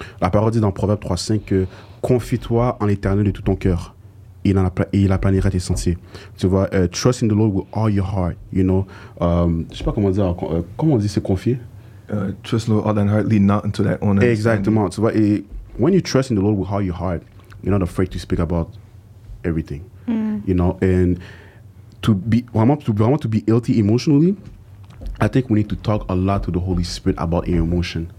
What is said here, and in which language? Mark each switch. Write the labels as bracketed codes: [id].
[fr] La parole dit dans Proverbe 3:5 que confie-toi en l'Éternel de tout ton cœur et il aplanira tes sentiers. Tu vois, [en] trust in the Lord with all your heart, you know. [fr] Je sais pas comment dire, comment on dit, c'est confier? [en] Trust in the Lord with all thine heart, lead not into thy own understanding. Exactement. [fr] Tu vois, et [en] when you trust in the Lord with all your heart, you're not afraid to speak about everything, you know. And to be healthy emotionally, I think we need to talk a lot to the Holy Spirit about your emotion.